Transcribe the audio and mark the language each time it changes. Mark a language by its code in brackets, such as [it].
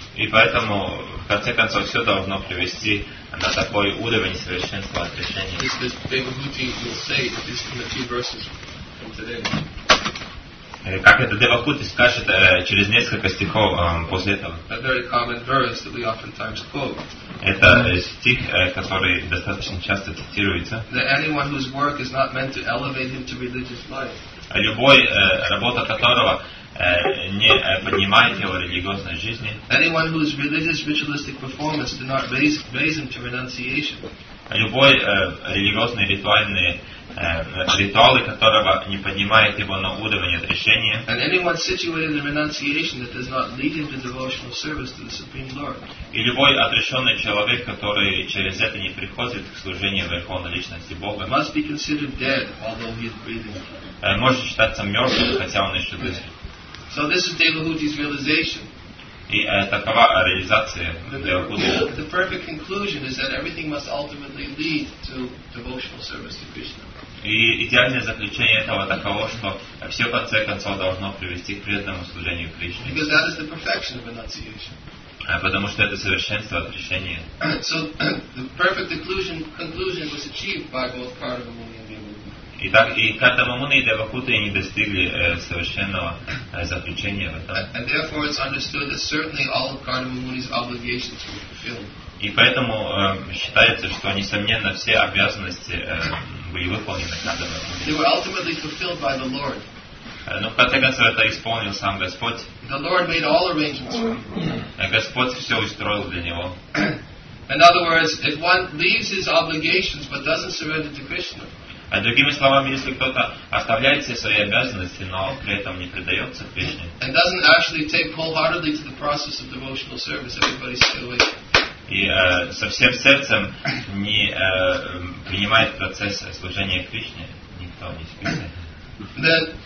[ru] И поэтому в конце концов все должно привести на такой уровень совершенства отрешения. [en] This is what Devahuti will say in a few verses from today. [ru] Как это Девахути скажет через несколько стихов после этого. [en] A very common verse that we oftentimes quote. [ru] Это стих, который достаточно часто цитируется. [en] That anyone whose work is not meant to elevate him to religious life. [ru] любой работа которого не поднимает его религиозной жизни. [en] Anyone who is religious ritualistic performance do not raise him to renunciation. [ru] Любой религиозный ритуальный ритуалы которого не поднимает его на уровень отречения. [en] And anyone situated in renunciation that does not lead him to devotional service to the Supreme Lord. [ru] И любой отрешенный человек, который через это не приходит к служению Верховной Личности Бога, [en] must be considered dead, although he is breathing. [ru] Может считаться мертвым, хотя он еще дышит. [en] So this is Devahuti's realization. [ru] И такова реализация Девахути. [en] The perfect conclusion is that everything must ultimately lead to devotional service to Krishna. [ru] И идеальное заключение этого таково, что все в конце концов должно привести к преданному служению Кришне. [en] Because that is the perfection of renunciation. [ru] Потому что это совершенство отречения. [en] So the perfect conclusion was achieved by both Kartava Muni and Devahuti. [ru] Итак, и Картава Муни и Девахути не достигли совершенного заключения в этом. [en] And therefore it's understood that certainly all of Kartava Muni's obligations were fulfilled. [ru] И поэтому считается, что несомненно все обязанности были выполнены Кардамом. [en] They were ultimately fulfilled by the Lord. [ru] Но в конце концов это исполнил сам Господь. [en] The Lord made all arrangements. [ru] Господь все устроил для него. [en] In other words, if one leaves his obligations but doesn't surrender to Krishna. [ru] А другими словами, если кто-то оставляет все свои обязанности, но при этом не предается Кришне. [en] And doesn't actually take wholeheartedly to the process of devotional service, everybody's still waiting. [ru] И со всем сердцем не принимает процесс служения Кришне, никто не спит.